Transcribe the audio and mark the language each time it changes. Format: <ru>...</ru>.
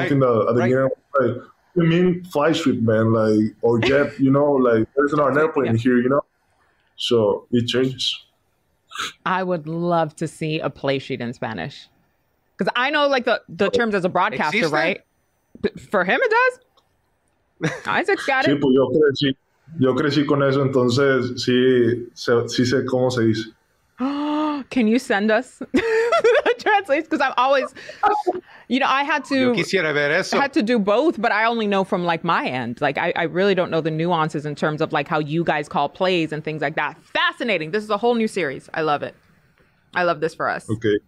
<en>Something that at the beginning, like, you mean fly sweep, man, like, or jet, you know? Like, there's not an airplane here, you know? So it changes. I would love to see a play sheet in Spanish. Because I know, like, the terms as a broadcaster,</en> <es>existe?</es> <en>Right? But for him, it does. Isaac's got it.</en> <es>Sí, pues yo crecí con eso, entonces sí sé cómo se dice.</es> <en>Can you send us translates? Because I'm always, you know, I had to do both, but I only know from like my end. Like I really don't know the nuances in terms of like how you guys call plays and things like that. Fascinating. This is a whole new series. I love it. I love this for us. Okay.</en>